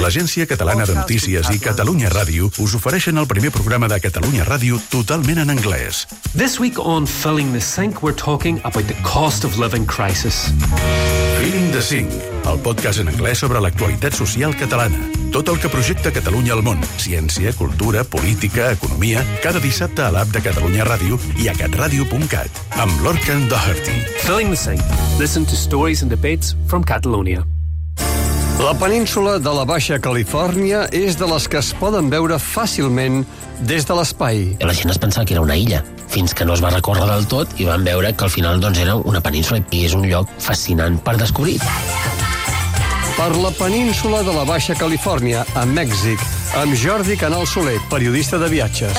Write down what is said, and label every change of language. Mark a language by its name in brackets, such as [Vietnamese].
[Catalan] L'Agència Catalana de Notícies i Catalunya Ràdio us ofereixen el primer programa de Catalunya Ràdio totalment en anglès. [English] This week on Filling the Sink, we're talking about the cost of living crisis. [Catalan] Filling the Sink, el podcast en anglès sobre l'actualitat social catalana. Tot el que projecta Catalunya al món. Ciència, cultura, política, economia, cada dissabte a l'app de Catalunya Ràdio i a catradio.cat, amb Lorcan Doherty. [English] Filling the Sink. Listen to stories and debates from Catalonia. [Catalan] La península de la Baixa Califòrnia és de les que es poden veure fàcilment des de l'espai. La gent es pensava que era una illa, fins que no es va recórrer del tot i van veure que al final doncs, era una península i és un lloc fascinant per descobrir. Per la península de la Baixa Califòrnia, a Mèxic, amb Jordi Canal Soler, periodista de viatges.